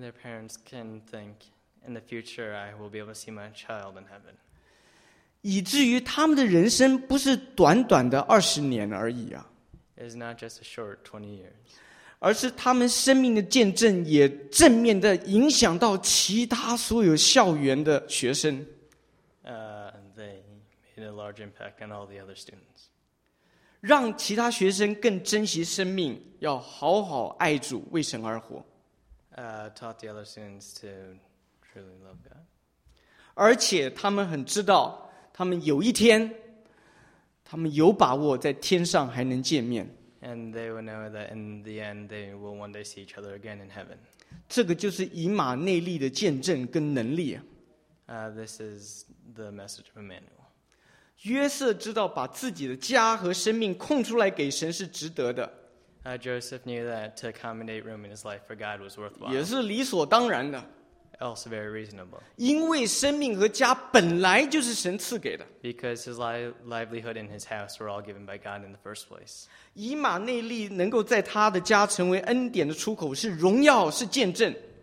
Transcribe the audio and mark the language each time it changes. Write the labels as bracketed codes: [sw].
[en] Their parents can think, in the future, I will be able to see my child in heaven. [zh] 以至于他们的人生不是短短的二十年而已啊。 [en] It's not just a short 20 years. [zh] 而是他们生命的见证也正面的影响到其他所有校园的学生。 [en] They made a large impact on all the other students. [zh] 让其他学生更珍惜生命，要好好爱主，为神而活。 [en] Taught the other students to truly love God. [zh] 而且他们很知道，他们有一天，他们有把握在天上还能见面。 [en] And they will know that in the end, they will one day see each other again in heaven. [zh] 这个就是以马内利的见证跟能力。 [en] This is the message of Emmanuel. [zh] 约瑟知道把自己的家和生命空出来给神是值得的。 [en] Joseph knew that to accommodate room in his life for God was worthwhile. [zh] 也是理所当然的。 [en] Also very reasonable. [zh] 因为生命和家本来就是神赐给的。 [en] Because his livelihood and his house were all given by God in the first place. [zh] 以马内利能够在他的家成为恩典的出口，是荣耀，是见证。